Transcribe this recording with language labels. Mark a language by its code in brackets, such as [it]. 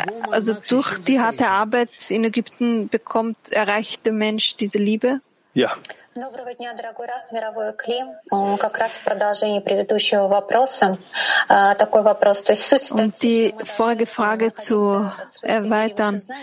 [de] Also durch die harte Arbeit in Ägypten erreicht der Mensch diese Liebe? Ja. [ru] Доброго дня, дорогой Раф, мировой Клим. Как раз в продолжении предыдущего вопроса. Такой вопрос. То есть суть статьи, [de] und die Folgefrage zu erweitern.